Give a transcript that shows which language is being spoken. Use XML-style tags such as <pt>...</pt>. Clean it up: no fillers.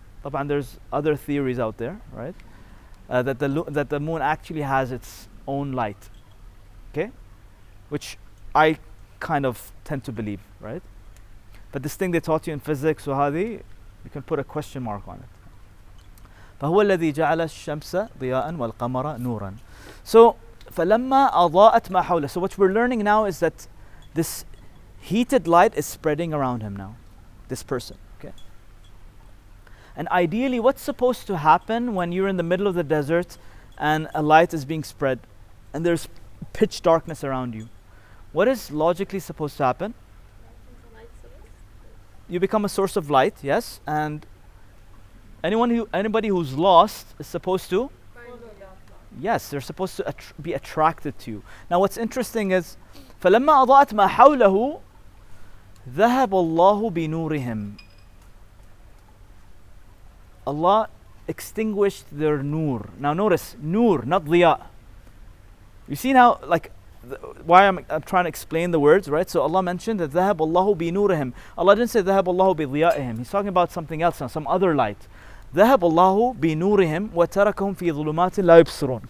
<en>And there's other theories out there, right? That the moon actually has its own light, okay? Which I kind of tend to believe, right? But this thing they taught you in physics, Suhadi, you can put a question mark on it.</en> <ar>فهو الذي جعل الشمس ضياء والقمر نورا.</ar> <en>So</en> <ar>فلما أضاءت ما حوله.</ar> <en>So what we're learning now is that this heated light is spreading around him now, this person. Okay. And ideally, what's supposed to happen when you're in the middle of the desert and a light is being spread and there's pitch darkness around you? What is logically supposed to happen? You become a source of light, yes, and anybody who's lost is supposed to? Yes, they're supposed to be attracted to you. Now what's interesting is,</en> <ar>فَلَمَّا أَضَاءَتْ مَا حَوْلَهُ ذَهَبَ اللَّهُ بِنُورِهِمْ.</ar> <en>Allah extinguished their nur. Now notice, nur, not ضِيَاء. You see now, like, why I'm trying to explain the words, right? So Allah mentioned that</en> <ar>ذَهَبَ اللَّهُ بِنُورِهِمْ.</ar> <en>Allah didn't say</en> <ar>ذَهَبَ اللَّهُ بِضِيَائِهِمْ.</ar> <en>He's talking about something else now, some other light.</en> <ar>ذهب الله بنورهم وتركهم في ظلمات لا يبصرون.</ar>